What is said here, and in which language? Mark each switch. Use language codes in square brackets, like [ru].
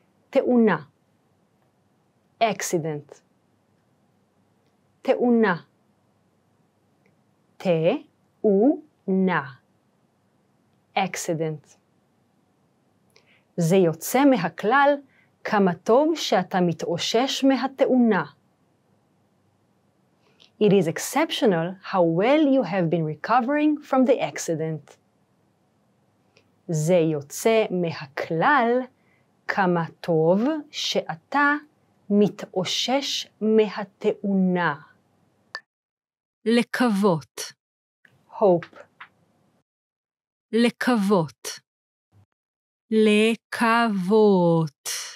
[he] תאונה. Accident. תאונה. תאונה. Accident. זה יוצא מהכלל כמה טוב שאתה מתאושש מהתאונה. [en] It is exceptional how well you have been recovering from the accident. [he] זה יוצא מהכלל כמה טוב שאתה מתאושש מהתאונה. לקוות. [en] Hope. [he] לקוות. לקוות.